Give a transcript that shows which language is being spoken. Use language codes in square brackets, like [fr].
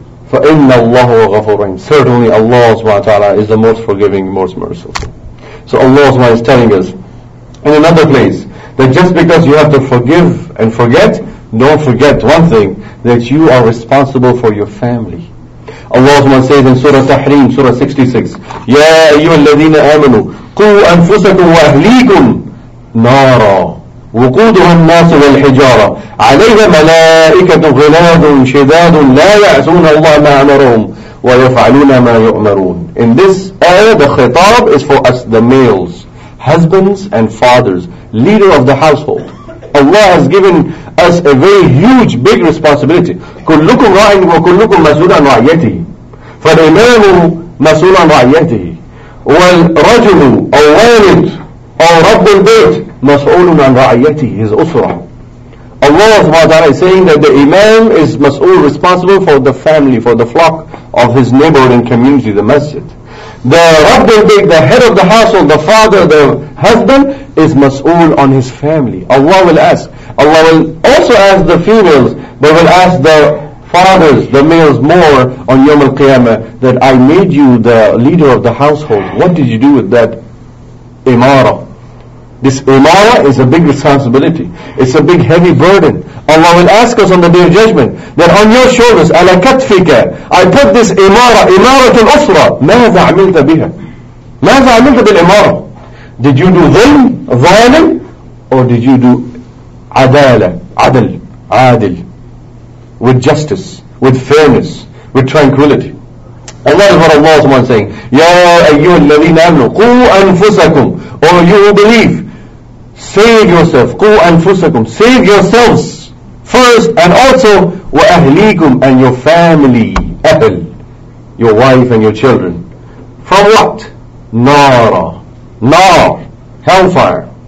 [ar] فَإِنَّ اللَّهُ غَفُورٌ. [en] Certainly Allah subhanahu wa ta'ala is the most forgiving, most merciful. So Allah subhanahu wa ta'ala is telling us in another place that just because you have to forgive and forget, don't forget one thing, that you are responsible for your family. Allah subhanahu wa ta'ala says in Surah Tahreem, Surah 66, [ar] يَا أَيُّهَا الَّذِينَ آمَنُوا قُوْ أَنفُسَكُمْ وَأَهْلِيكُمْ نَارًا وقودها الناس والحجارة عليها ملائكة غلاظ شداد لا يعصون الله ما أمرهم ويفعلون ما يؤمرون. [en] In this ayah, the khitab is for us, the males, husbands and fathers, leader of the household. Allah has given us a very huge, big responsibility. [ar] كلكم راعٍ وكلكم مسؤول عن رعيته فالإمام مسؤول عن رعيته والرجل أو والد أو رب البيت مَسْؤُولٌ عَنْ رَعَيَّتِهِ, [en] his usra. Allah subhanahu wa ta'ala is saying that the imam is mas'ul, responsible for the family, for the flock of his neighboring community, the masjid. The rabb al-bayt, the head of the household, the father, the husband, is mas'ul on his family. Allah will ask. Allah will also ask the females, but will ask the fathers, the males more on Yawm al-Qiyamah, that I made you the leader of the household. What did you do with that imara? This imara is a big responsibility. It's a big heavy burden. Allah will ask us on the Day of Judgment that on your shoulders, ala katfika, I put this imara, imaratul usra. [ar] ماذا عملت بها? ماذا عملت بالإمارة? [en] Did you do [ar] ظلم, ظالم? [en] Or did you do [ar] عدالة, عدل, عادل? [en] With justice, with fairness, with tranquility. And that is what Allah is saying. [ar] يا أيها الذين آمنوا قو أنفسكم. [en] Or you who believe, save yourself. [ar] قو أنفسكم. [en] Save yourselves first, and also وأهليكم, and your family, أهل, your wife and your children. From what? نار. نار. Hellfire.